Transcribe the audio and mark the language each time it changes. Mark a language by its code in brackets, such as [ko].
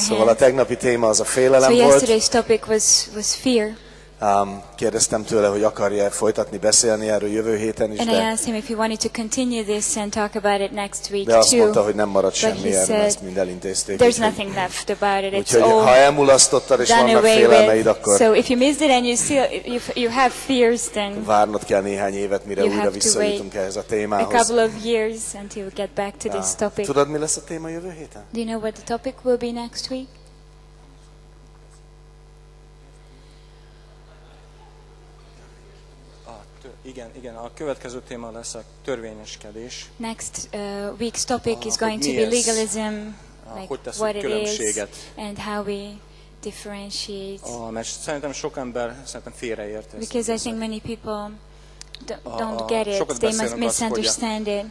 [hu] Szóval a tegnapi téma az a félelem [en] so [hu] volt. [en] So yesterday's topic was fear. [hu] Kérdeztem tőle, hogy akarja folytatni beszélni erről jövő héten is. [en] And I asked him if he wanted to continue this and talk about it next week too. [hu] De azt mondta, hogy nem marad semmi erről, ezt mind elintézték. [en] There's nothing left about it. It's all. [hu] Ha elmulasztottad és vannak félelmeid, akkor. [en] So if you missed it and you still you have fears then. [hu] Várnod kell néhány évet, mire újra visszajutunk ehhez a témához. [en] A couple of years until we get back to this topic. [hu] Tudod, mi lesz a téma jövő héten? [en] Do you know what the topic will be next week? [hu] Igen, a következő téma lesz a törvényeskedés. [en] Next week's topic is going to be legalism, like what it is, and how we differentiate. [hu] Mert szerintem sok ember szerintem félreért ezt. [en] Because I think many people don't get it, they must misunderstand it.